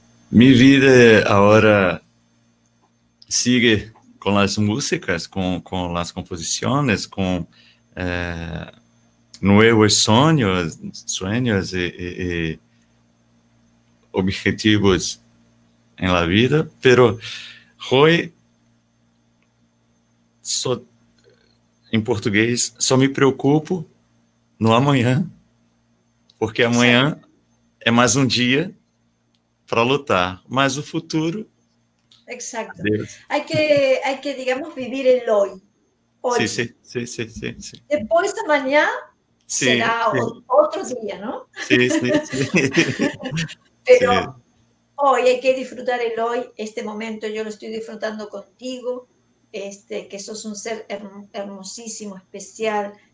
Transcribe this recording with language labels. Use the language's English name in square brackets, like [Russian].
[Spanish] Mi vida ahora sigue con las músicas, con las composiciones, con nuevos sueños y objetivos en la vida, pero hoy [Portuguese] em português, só me preocupo no amanhã, porque amanhã é mais um dia para lutar, mas o futuro... [Spanish] Exacto. Hay que, digamos, vivir el hoy. Sí, sí, sí, sí, sí, sí. Después de mañana será otro día, ¿no? Sí, sí, sí. Pero hoy hay que disfrutar el hoy, este momento. Yo lo estoy disfrutando contigo, que sos un ser hermosísimo, especial.